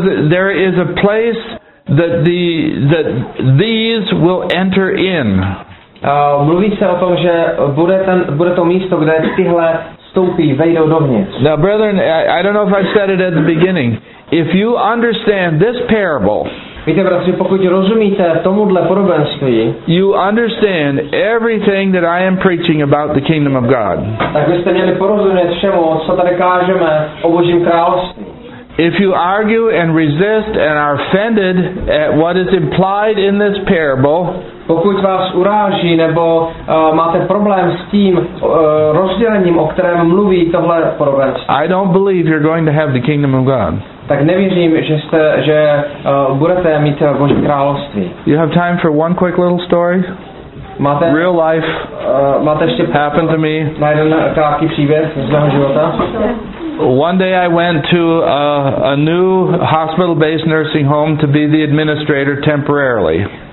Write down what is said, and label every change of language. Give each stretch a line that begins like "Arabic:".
English: There is a place that these will enter in.
Czech: Mluví se o tom, že bude to místo, kde tyhle vstoupí, vejdou dovnitř.
English: Now, brethren, I don't know if I said it at the beginning. If you understand this parable,
Czech: víte, bratři, pokud rozumíte tomuhle podobenství,
English: you understand everything that I am preaching about the kingdom of God.
Czech: Tak byste měli porozumět všemu, co tady kážeme o Božím království.
English: If you argue and resist and are offended at what is implied in this parable,
Czech: pokud vás uráží nebo máte problém s tím rozdělením, o kterém mluví tohle podobenství,
English: I don't believe you're going to have the kingdom of God.
Czech: Tak nevěřím, že budete mít Boží království.
English: You have time for one quick little story?
Czech: Máte
English: real life?
Czech: Máte ještě
English: happened to me?
Czech: Na jeden krátký příběh z mého života.
English: One day I went to a new hospital-based nursing home to be the administrator temporarily.